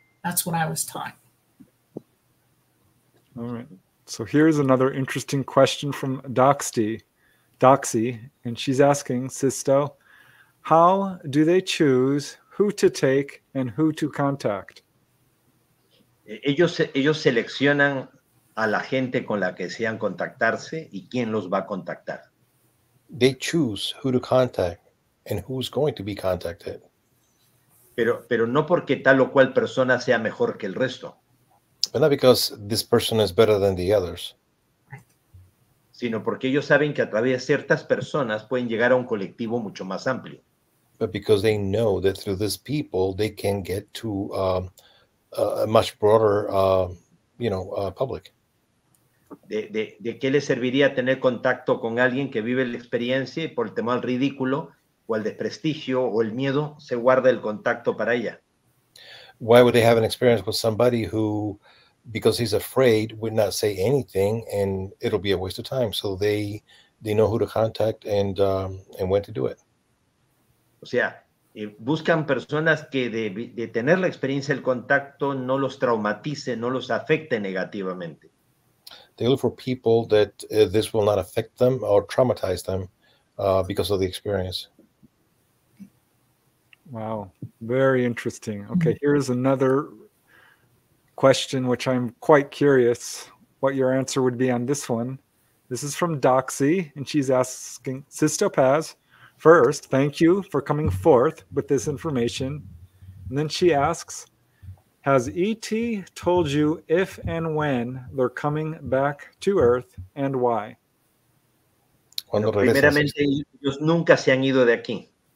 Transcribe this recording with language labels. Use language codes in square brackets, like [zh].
[en] That's what I was taught. All right. So here's another interesting question from Doxy, and she's asking, Sixto, how do they choose who to take and who to contact? [es] Ellos seleccionan a la gente con la que desean contactarse y quién los va a contactar. [en] They choose who to contact and who's going to be contacted. [es] Pero no porque tal o cual persona sea mejor que el resto. [en] But not because this person is better than the others. [es] Sino porque ellos saben que a través de ciertas personas pueden llegar a un colectivo mucho más amplio. [en] But because they know that through these people they can get to a much broader public. [es] ¿De qué le serviría tener contacto con alguien que vive la experiencia y por el temor al ridículo o al desprestigio o el miedo se guarda el contacto para ella? [en] Why would they have an experience with somebody who, because he's afraid, would not say anything and it'll be a waste of time? So they know who to contact and when to do it. [es] O sea, buscan personas que de tener la experiencia del contacto no los traumatice, no los afecte negativamente. [en] They look for people that this will not affect them or traumatize them because of the experience. Wow, very interesting. Okay, here's another question, which I'm quite curious what your answer would be on this one. This is from Doxy, and she's asking, Sixto Paz, First, thank you for coming forth with this information. And then she asks, has ET told you if and when they're coming back to Earth and why? [es] Bueno, primeramente, ellos nunca se han ido de aquí.